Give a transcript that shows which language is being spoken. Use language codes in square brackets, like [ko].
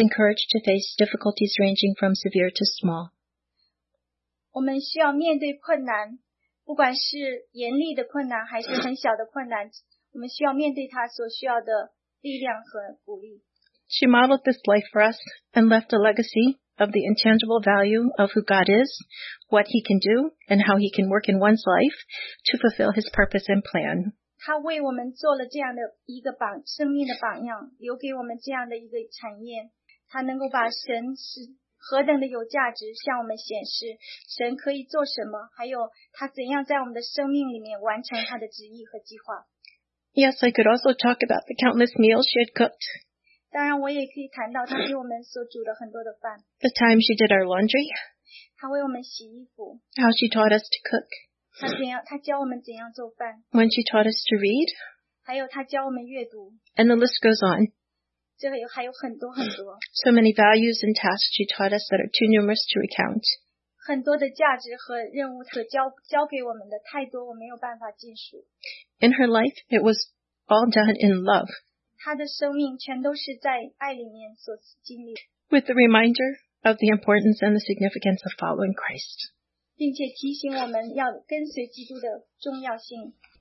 [en] and courage to face difficulties ranging from severe to small. [zh] 我们需要面对困难，不管是严厉的困难还是很小的困难，我们需要面对它所需要的力量和鼓励。 [en] She modeled this life for us and left a legacy of the intangible value of who God is, what He can do, and how He can work in one's life to fulfill His purpose and plan. [zh] 她为我们做了这样的一个榜，生命的榜样，留给我们这样的一个产业。她能够把神使何等的有价值，向我们显示神可以做什么，还有他怎样在我们的生命里面完成他的旨意和计划。 [en] Yes, I could also talk about the countless meals she had cooked. [zh] 当然我也可以谈到她给我们所煮的很多的饭。 [en] The time she did our laundry. [zh] 她为我们洗衣服。 [en] How she taught us to cook. [zh] 她教我们怎样做饭。 [en] When she taught us to read. [zh] 还有她教我们阅读。 [en] And the list goes on. [zh] 这里还有很多很多。 [en] So many values and tasks she taught us that are too numerous to recount. [zh] 很多的价值和任务她 教给我们的太多，我没有办法尽数。 [en] In her life, it was all done in love. [zh] 她的生命全都是在爱里面所经历。 [en] With the reminder of the importance and the significance of following Christ. [zh] 并且提醒我们要跟随基督的重要性。